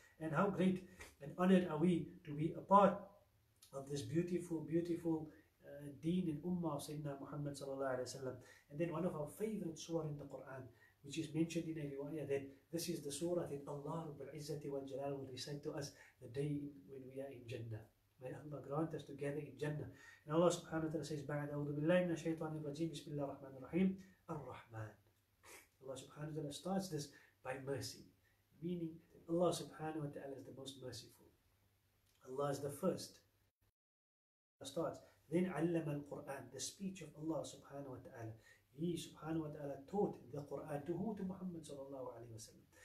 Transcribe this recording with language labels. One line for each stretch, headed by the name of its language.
English: And how great and honored are we to be a part of this beautiful, beautiful deen and ummah of Sayyidina Muhammad sallallahu alayhi wa sallam. And then one of our favorite surah in the Quran, which is mentioned in a riwayah, that this is the surah that Allah Rabbul Izzati wal Jalal will recite to us the day when we are in Jannah. May Allah grant us to gather in Jannah. And Allah subhanahu wa ta'ala says,
Arabic: بعد أعوذ بالله من الشيطان الرجيم بسم الله الرحمن الرحيم الرحمن.
English: Allah subhanahu wa ta'ala starts this by mercy, meaning that Allah subhanahu wa ta'ala is the most merciful. Allah is the first. Allah starts. Then
Arabic: علم القرآن,
English: the speech of Allah subhanahu wa ta'ala. He subhanahu wa ta'ala taught the Qur'an to who? To Muhammad sallallahu alayhi wa sallam.